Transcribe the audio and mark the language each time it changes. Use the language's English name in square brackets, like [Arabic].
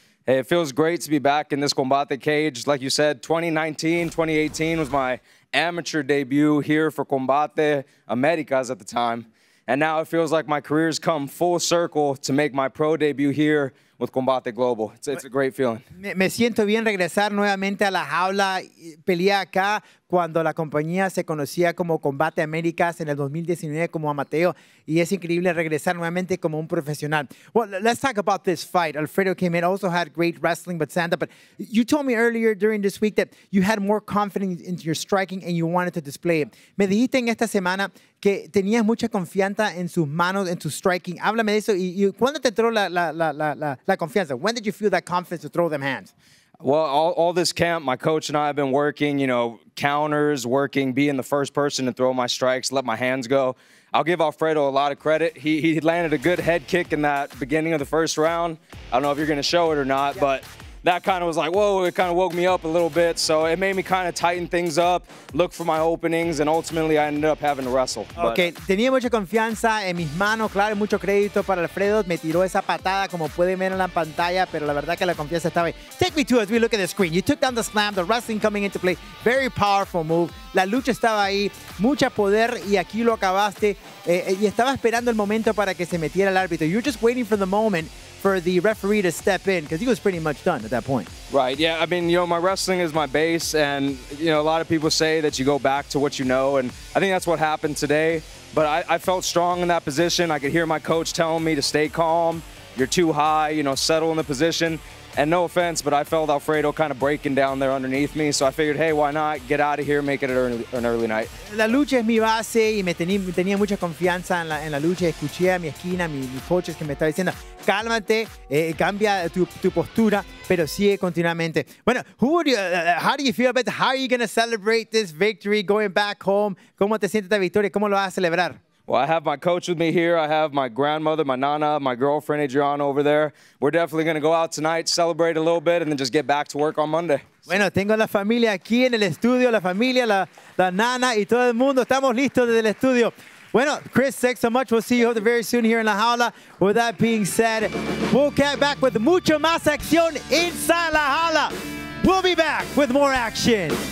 [English] Hey, it feels great to be back in this Combate cage. Like you said, 2019, 2018 was my amateur debut here for Combate Americas at the time. And now it feels like my career's come full circle to make my pro debut here with Combate Global. It's a great feeling. [Spanish] Me siento bien regresar nuevamente a la jaula, pelear acá cuando la compañía se conocía como Combate Americas en el 2019 como amateur, y es increíble regresar nuevamente como un profesional. [English] Well, let's talk about this fight. Alfredo came in, also had great wrestling, but stand up. But you told me earlier during this week that you had more confidence in your striking and you wanted to display it. [Spanish] Me dijiste en esta semana que tenías mucha confianza en sus manos, en tu striking. Háblame de eso. ¿Y cuándo te entró la confianza? [English] When did you feel that confidence to throw them hands? Well, all this camp, my coach and I have been working, you know, counters, working, being the first person to throw my strikes, let my hands go. I'll give Alfredo a lot of credit. He landed a good head kick in that beginning of the first round. I don't know if you're going to show it or not, but that kind of was like, whoa, it kind of woke me up a little bit. So it made me kind of tighten things up, look for my openings, and ultimately I ended up having to wrestle. [Spanish] Okay, tenía mucha confianza en mis manos, claro, mucho crédito para Alfredo. Me tiró esa patada, como pueden ver en la pantalla, pero la verdad que la confianza estaba ahí. [English] Take me to as we look at the screen. You took down the slam, the wrestling coming into play. Very powerful move. [Spanish] La lucha estaba ahí, mucha poder, y aquí lo acabaste. Y estaba esperando el momento para que se metiera el árbitro. [English] You're just waiting for the moment for the referee to step in, because he was pretty much done at that point. Right, yeah, I mean, you know, my wrestling is my base, and, you know, a lot of people say that you go back to what you know, and I think that's what happened today. But I felt strong in that position. I could hear my coach telling me to stay calm, you're too high, you know, settle in the position. And no offense, but I felt Alfredo kind of breaking down there underneath me. So I figured, hey, why not get out of here, make it an early night. [Spanish] La lucha es mi base y me tenía mucha confianza en la lucha. Escuché a mi esquina, mi coach que me estaba diciendo, cálmate, cambia tu postura, pero sigue continuamente. [English] Bueno, how do you feel about this? How are you going to celebrate this victory going back home? [Spanish] ¿Cómo te sientes esta victoria? ¿Cómo lo vas a celebrar? [English] Well, I have my coach with me here. I have my grandmother, my nana, my girlfriend, Adriana, over there. We're definitely going to go out tonight, celebrate a little bit, and then just get back to work on Monday. [Spanish] Bueno, tengo la familia aquí en el estudio, la familia, la nana, y todo el mundo. Estamos listos desde el estudio. Bueno, Chris, [English] thanks so much. We'll see you very soon here in La Jaula. With that being said, we'll get back with [Spanish] mucho más acción [English] inside La Jaula. We'll be back with more action.